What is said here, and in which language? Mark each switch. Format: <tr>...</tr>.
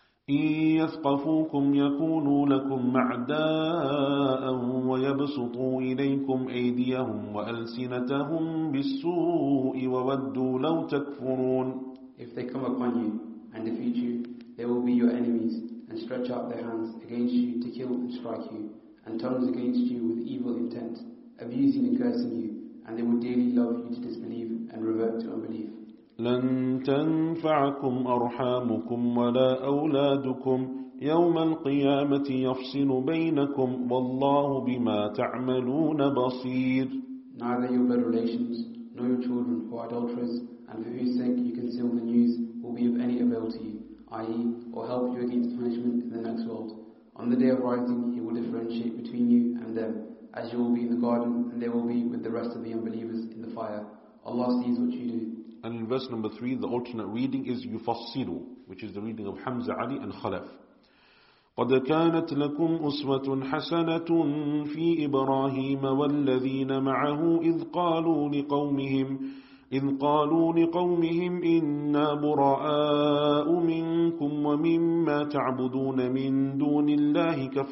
<ar>يَثْقَفُوكُمْ يَكُونُوا لَكُمْ مَعْدَاءً وَيَبْسُطُوا إِلَيْكُمْ أَيْدِيَهُمْ وَأَلْسِنَتَهُمْ بِالسُّوءِ وَوَدُّوا لَوْ تَكْفُرُونَ.</ar> <en>If they come upon you and defeat you, they will be your enemies and stretch out their hands against you to kill and strike you, and tongues against you with evil intent, abusing and cursing you, and they would dearly love you to disbelieve and revert to unbelief.</en> <ar>لن تنفعكم أرحامكم ولا أولادكم يوم القيامة يفصل بينكم والله بما تعملون بصير.</ar> <en>Neither your blood relations nor your children who are adulterers and for whose sake you conceal the news will be of any avail to you, i.e. or help you against punishment in the next world. On the day of rising, he will differentiate between you and them, as you will be in the garden, and they will be with the rest of the unbelievers in the fire. Allah sees what you do. And in verse number 3, the alternate reading is Yufassiru, which is the reading of Hamza, Ali and Khalaf.</en> <ar>قَدْ كَانَتْ لَكُمْ أُسْوَةٌ حَسَنَةٌ فِي إِبْرَاهِيمَ وَالَّذِينَ مَعَهُ إِذْ قَالُوا لِقَوْمِهِمْ إنا براء منكم ومما تعبدون من دون الله</ar>